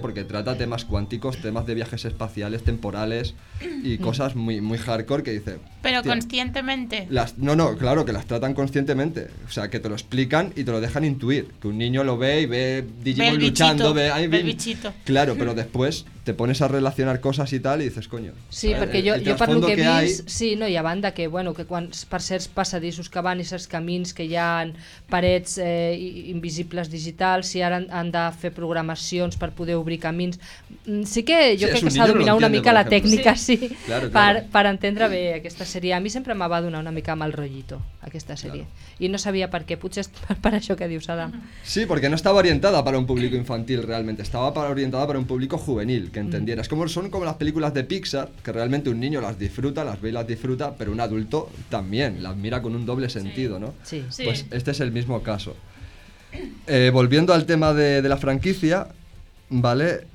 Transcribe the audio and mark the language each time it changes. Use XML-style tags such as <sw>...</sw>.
<es>Porque trata temas cuánticos, temas de viajes espaciales, temporales y cosas muy, muy hardcore que dice... Pero conscientemente. No, claro, que las tratan conscientemente. O sea, que te lo explican y te lo dejan intuir. Que un niño lo ve y ve Digimon ve luchando, bichito, ve el bichito. Claro, pero después te pones a relacionar cosas y tal y dices, coño.</es> <ca>Sí, perquè jo per lo que he vist, sí, no, i a banda que, bueno, que quan per certs passadissos que van i certs camins que hi ha parets invisibles digitals i ara han de fer programacions per poder obrir camins, sí que jo crec que s'ha de dominar una mica la tècnica, sí, per entendre bé aquesta sèrie. A mi sempre me va donar una mica mal rotllito aquesta sèrie. I no sabia per què, potser per això que dius, Adam. Sí, perquè no estava orientada per a un públic infantil realment, estava orientada per a un públic juvenil.</ca> <es>Que entendieras, como son como las películas de Pixar, que realmente un niño las disfruta, las ve y las disfruta, pero un adulto también las mira con un doble sentido, sí. ¿no? Sí. Pues este es el mismo caso. Volviendo al tema de la franquicia, ¿vale?</es>